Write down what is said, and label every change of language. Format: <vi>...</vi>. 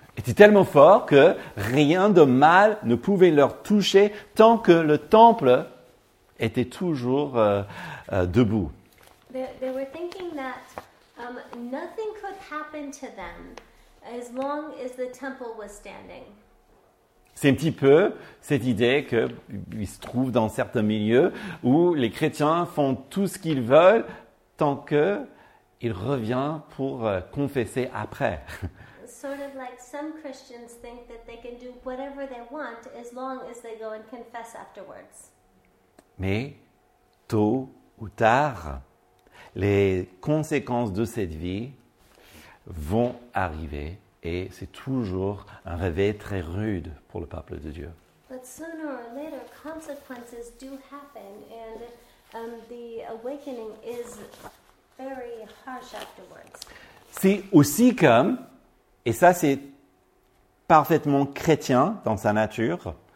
<fr>était tellement fort que rien de mal ne pouvait leur toucher tant que le temple était toujours debout.</fr> <en>They were thinking that nothing could happen to them as long as the temple was standing.</en> <fr>C'est un petit peu cette idée qu'ils se trouvent dans certains milieux où les chrétiens font tout ce qu'ils veulent tant qu'ils reviennent pour confesser après.</fr> <en>Sort of like some Christians think that they can do whatever they want as long as they go and confess afterwards.</en> <fr>Mais tôt ou tard, les conséquences de cette vie vont arriver et c'est toujours un réveil très rude pour le peuple de Dieu.</fr> <en>But sooner or later, consequences do happen and the awakening is very harsh afterwards.</en> <fr>C'est aussi comme, et ça c'est parfaitement chrétien dans sa nature,</fr>